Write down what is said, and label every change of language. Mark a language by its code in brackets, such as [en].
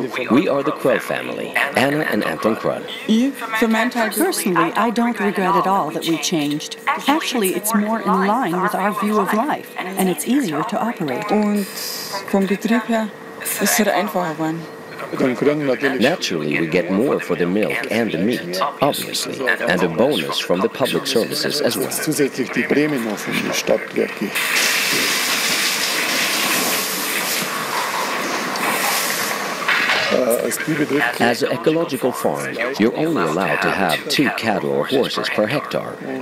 [en] We are the Krull family, Anna and Anton Krull. You? Personally, I don't regret at all that we changed. Actually, it's more in line with our view of life, and it's easier to operate. [de] Und vom Betrieb her ist es einfacher geworden. [en] Naturally, we get more for the milk and the meat, obviously, and a bonus from the public services as well. [de] Zusätzlich die Prämie noch von der Stadtwerke. [en] As an ecological farm, you're only allowed to have 2 cattle or horses per hectare.